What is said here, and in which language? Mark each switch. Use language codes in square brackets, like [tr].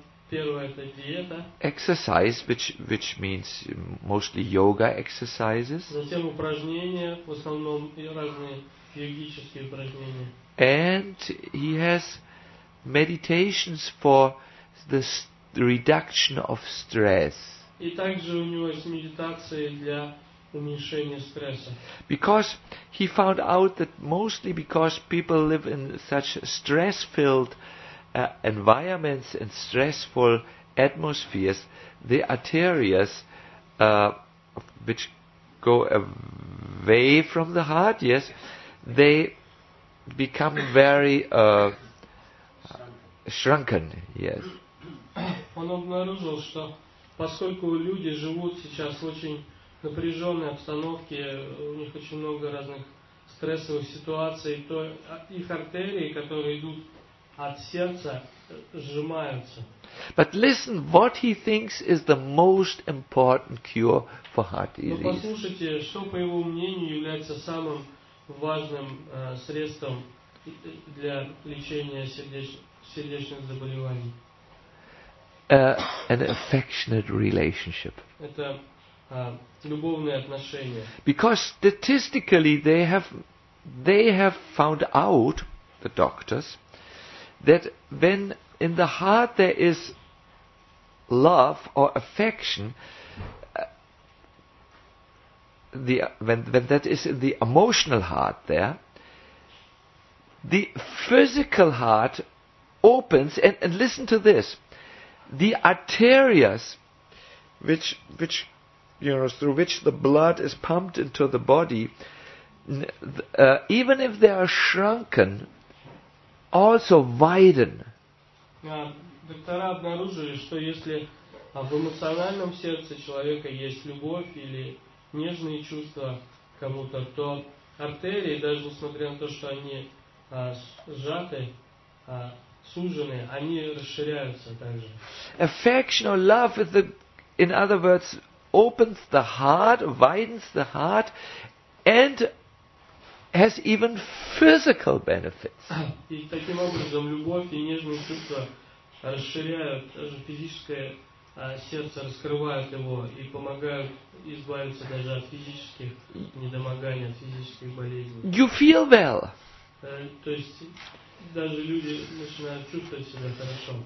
[ru] Первое это диета. [en] Exercise, which means mostly yoga exercises. [ru] Затем упражнения, в основном и разные йогические упражнения. [en] And he has meditations for the reduction of stress. [ru] И также у него есть медитации для уменьшения стресса. [en] Because he found out that mostly because people live in such stress-filled environments and stressful atmospheres, the arteries which go away from the heart, yes, they become very shrunken, yes. [ru] Он обнаружил, что поскольку люди живут сейчас в очень напряженной обстановке, у них очень много разных стрессовых ситуаций, то их артерии, которые идут от сердца, сжимаются. [en] But listen, what he thinks is the most important cure for heart disease. [ru] Но послушайте, что по его мнению является самым важным средством для лечения сердечных заболеваний. [en] An affectionate relationship. [ru] Это любовные отношения. [en] Because statistically they have found out, the doctors, that when in the heart there is love or affection, when that is in the emotional heart there, the physical heart opens, and listen to this, the arterias which you know, through which the blood is pumped into the body, even if they are shrunken, also widen. [ru] Доктора обнаружили, что если в эмоциональном сердце человека есть любовь или нежные чувства кому-то, то артерии, даже несмотря на то, что они сжаты, сужены, они расширяются также. [en] Affection or love is the, in other words, opens the heart, widens the heart, and has even physical benefits. [ru] И таким образом любовь и нежные чувства расширяют даже физическое сердце, раскрывают его и помогают избавиться даже от физических недомоганий, от физических болезней. [en] You feel well. [ru] То есть даже люди начинают чувствовать себя хорошо.